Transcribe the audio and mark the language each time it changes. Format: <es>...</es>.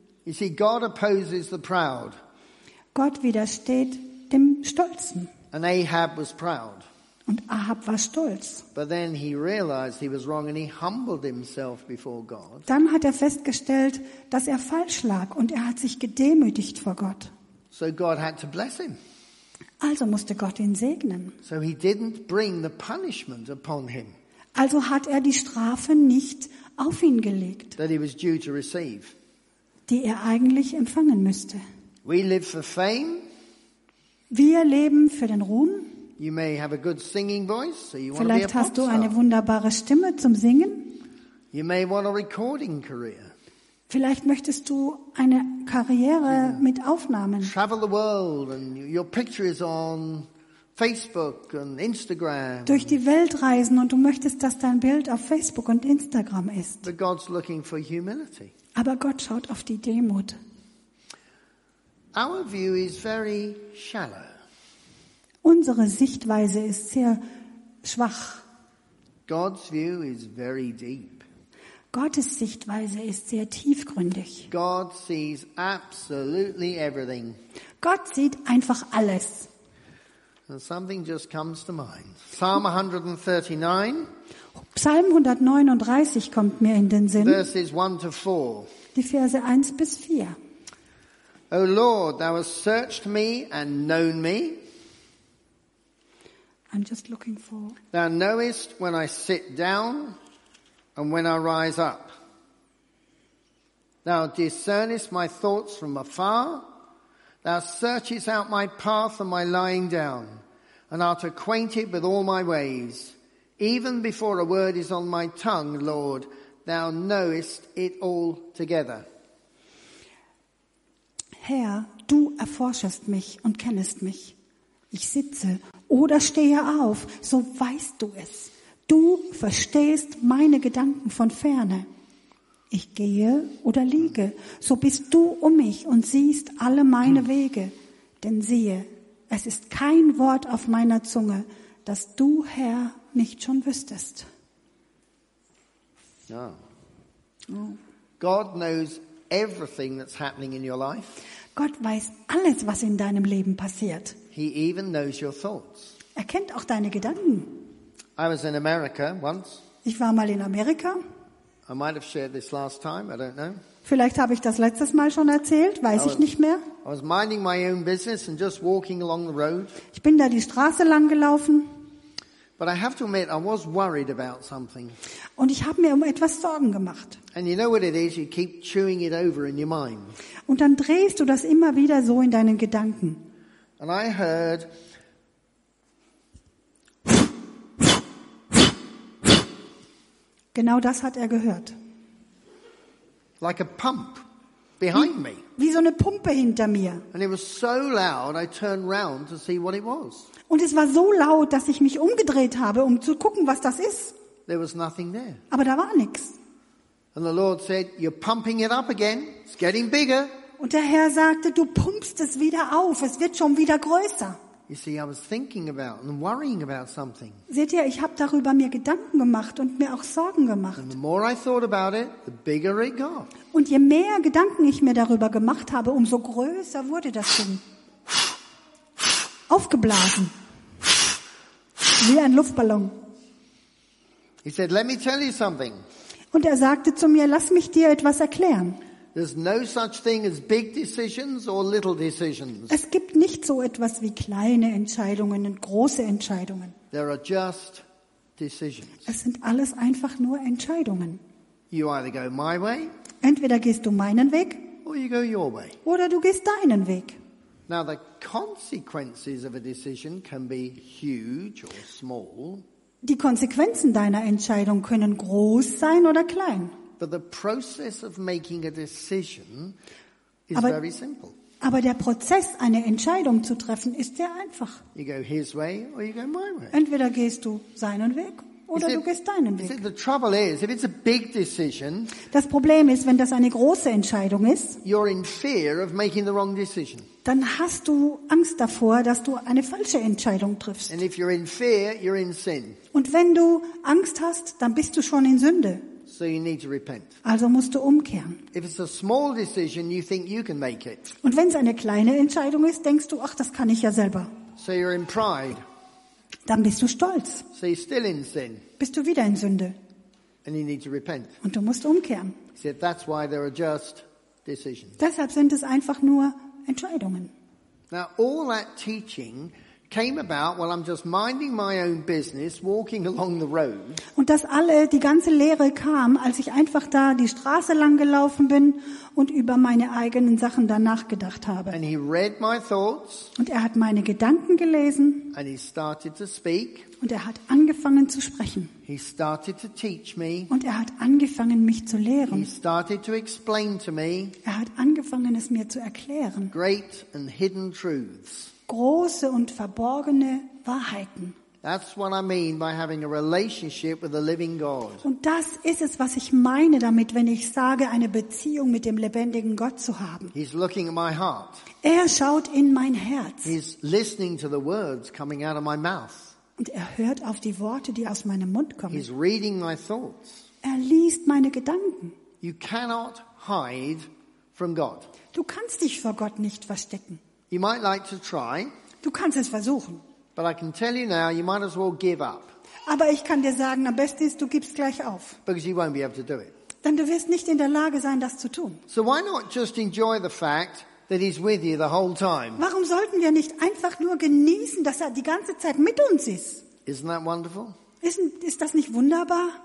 <en>You see, God opposes the proud.</en> <de>Gott widersteht dem Stolzen.</de> <en>And Ahab was proud.</en> <de>Und Ahab war stolz.</de> <en>But then he realized he was wrong and he humbled himself before God.</en> <de>Dann hat er festgestellt, dass er falsch lag und er hat sich gedemütigt vor Gott.</de> <en>So God had to bless him.</en> <de>Also musste Gott ihn segnen.</de> <en>So he didn't bring the punishment upon him.</en> <de>Also hat er die Strafe nicht auf ihn gelegt,</de> <en>that he was due to receive.</en> <de>Die er eigentlich empfangen müsste.</de> <en>We live for fame.</en> <de>Wir leben für den Ruhm.</de> <en>You may have a good singing voice, so you want to be a pop star.</en> <de>Vielleicht hast du eine wunderbare Stimme zum Singen.</de> <en>You may want a recording career.</en> <de>Vielleicht möchtest du eine Karriere mit Aufnahmen.</de> <en>Travel the world and your picture is on Facebook and Instagram.</en> <de>Durch die Welt reisen und du möchtest, dass dein Bild auf Facebook und Instagram ist.</de> <en>But God's looking for humility.</en> <de>Aber Gott schaut auf die Demut.</de> <en>Our view is very shallow.</en> <de>Unsere Sichtweise ist sehr schwach.</de> <en>God's view is very deep.</en> <de>Gottes Sichtweise ist sehr tiefgründig.</de> <en>God sees absolutely everything.</en> <de>Gott sieht einfach alles.</de> <en>And something just comes to mind. Psalm 139.</en> <de>Psalm 139 kommt mir in den Sinn.</de> <en>Verses 1 to 4.</en> <de>Die Verse 1 bis 4.</de> <en>O Lord, thou hast searched me and known me. I'm just looking for. Thou knowest when I sit down. And when I rise up, thou discernest my thoughts from afar, thou searchest out my path and my lying down, and art acquainted with all my ways. Even before a word is on my tongue, Lord, thou knowest it all together.</en> <de>Herr, du erforschest mich und kennest mich. Ich sitze oder stehe auf, so weißt du es. Du verstehst meine Gedanken von Ferne. Ich gehe oder liege, so bist du um mich und siehst alle meine Wege. Denn siehe, es ist kein Wort auf meiner Zunge, das du, Herr, nicht schon wüsstest.</de> <en>No. Oh. God knows everything that's happening in your life.</en> <de>Gott weiß alles, was in deinem Leben passiert.</de> <en>He even knows your thoughts.</en> <de>Er kennt auch deine Gedanken.</de> <en>I was in America once.</en> <de>Ich war mal in Amerika.</de> <en>I might have shared this last time, I don't know.</en> <de>Vielleicht habe ich das letztes Mal schon erzählt, weiß ich nicht mehr.</de> <en>I was minding my own business and just walking along the road.</en> <de>Ich bin da die Straße lang gelaufen.</de> <en>But I have to admit, I was worried about something.</en> <de>Und ich habe mir um etwas Sorgen gemacht.</de> <en>And you know what it is, you keep chewing it over in your mind.</en> <de>Und dann drehst du das immer wieder so in deinen Gedanken.</de> <en>And I heard.</en> <de>Genau das hat er gehört.</de> <en>Like a pump behind me.</en> <de>Wie so eine Pumpe hinter mir.</de> <en>And it was so loud, I turned round to see what it was.</en> <de>Und es war so laut, dass ich mich umgedreht habe, um zu gucken, was das ist.</de> <en>There was nothing there.</en> <de>Aber da war nichts.</de> <en>And the Lord said, you're pumping it up again. It's getting bigger.</en> <de>Und der Herr sagte, du pumpst es wieder auf. Es wird schon wieder größer.</de> <en>You see, I was thinking about and worrying about something.</en> <de>Seht ihr, ich habe darüber mir Gedanken gemacht und mir auch Sorgen gemacht.</de> <en>And the more I thought about it, the bigger it got.</en> <de>Und je mehr Gedanken ich mir darüber gemacht habe, umso größer wurde das Ding. Aufgeblasen. Wie ein Luftballon.</de> <en>He said, "Let me tell you something."</en> <de>Und er sagte zu mir, lass mich dir etwas erklären.</de> <en>There's no such thing as big decisions or little decisions.</en> <de>Es gibt nicht so etwas wie kleine Entscheidungen und große Entscheidungen.</de> <en>There are just decisions.</en> <de>Es sind alles einfach nur Entscheidungen.</de> <en>You either go my way.</en> <de>Entweder gehst du meinen Weg.</de> <en>Or you go your way.</en> <de>Oder du gehst deinen Weg.</de> <en>Now the consequences of a decision can be huge or small.</en> <de>Die Konsequenzen deiner Entscheidung können groß sein oder klein.</de> <en>But the process of making a decision is very simple.</en> <de>Aber der Prozess, eine Entscheidung zu treffen, ist sehr einfach.</de> <en>You go his way or you go my way.</en> <de>Entweder gehst du seinen Weg oder du gehst deinen Weg.</de> <en>The trouble is, if it's a big decision,</en> <de>das Problem ist, wenn das eine große Entscheidung ist,</de> <en>you're in fear of making the wrong decision.</en> <de>Dann hast du Angst davor, dass du eine falsche Entscheidung triffst.</de> <en>And if you're in fear, you're in sin.</en> <de>Und wenn du Angst hast, dann bist du schon in Sünde.</de> <en>So you need to repent.</en> <de>Also musst du umkehren.</de> <en>If it's a small decision, you think you can make it.</en> <de>Und wenn es eine kleine Entscheidung ist, denkst du, ach, das kann ich ja selber.</de> <en>So you're in pride.</en> <de>Dann bist du stolz.</de> <en>So you're still in sin.</en> <de>Bist du wieder in Sünde.</de> <en>And you need to repent.</en> <de>Und du musst umkehren.</de> <en>See, that's why there are just decisions.</en> <de>Deshalb sind es einfach nur Entscheidungen.</de> <en>Now all that teaching came about while I'm just minding my own business, walking along the road.</en> <de>Und das alle, die ganze Lehre kam, als ich einfach da die Straße lang gelaufen bin und über meine eigenen Sachen danach gedacht habe.</de> <en>And he read my thoughts.</en> <de>Und er hat meine Gedanken gelesen.</de> <en>And he started to speak.</en> <de>Und er hat angefangen zu sprechen.</de> <en>He started to teach me.</en> <de>Und er hat angefangen, mich zu lehren.</de> <en>He started to explain to me.</en> <de>Er hat angefangen, es mir zu erklären.</de> <en>Great and hidden truths.</en> <de>Große und verborgene Wahrheiten.</de> <en>That's what I mean by having a relationship with the living God.</en> <de>Und das ist es, was ich meine damit, wenn ich sage, eine Beziehung mit dem lebendigen Gott zu haben.</de> <en>He's looking at my heart.</en> <de>Er schaut in mein Herz.</de> <en>He's listening to the words coming out of my mouth.</en> <de>Und er hört auf die Worte, die aus meinem Mund kommen.</de> <en>He's reading my thoughts.</en> <de>Er liest meine Gedanken.</de> <en>You cannot hide from God.</en> <de>Du kannst dich vor Gott nicht verstecken.</de> <en>You might like to try.</en> <de>Du kannst es versuchen.</de> <en>But I can tell you now, you might as well give up.</en> <de>Aber ich kann dir sagen, am besten ist, du gibst gleich auf.</de> <en>Because you won't be able to do it.</en> <de>Denn du wirst nicht in der Lage sein, das zu tun.</de> <en>So why not just enjoy the fact that he's with you the whole time?</en> <de>Warum sollten wir nicht einfach nur genießen, dass er die ganze Zeit mit uns ist?</de> <en>Isn't that wonderful?</en> <de>Ist das nicht wunderbar?</de>